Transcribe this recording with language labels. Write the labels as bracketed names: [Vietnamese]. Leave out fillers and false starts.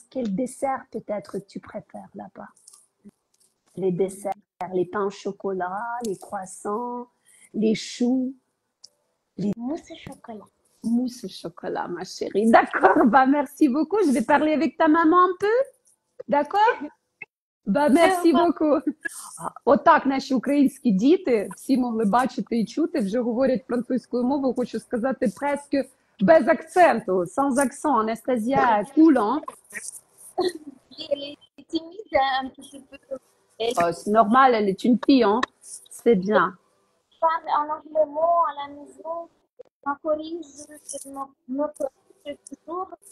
[French] Quel dessert peut-être tu préfères là-bas? Les desserts. Les pains au chocolat, les croissants, les choux, les mousse au chocolat. Mousse au chocolat, ma chérie. D'accord, bah merci beaucoup. Je vais parler avec ta maman un peu. D'accord? Bah merci beaucoup. [Ukrainian] Отак наші українські діти, всі могли бачити і чути, вже говорять французькою мовою, хочу сказати, [French] presque [Ukrainian] без акценту, [French] sans accent. Анастасія, cool, hein? Timide, un petit peu. Oh, c'est normal, elle est une fille, hein. C'est bien. En anglais, mot à la maison, ma corrige, me corrige toujours.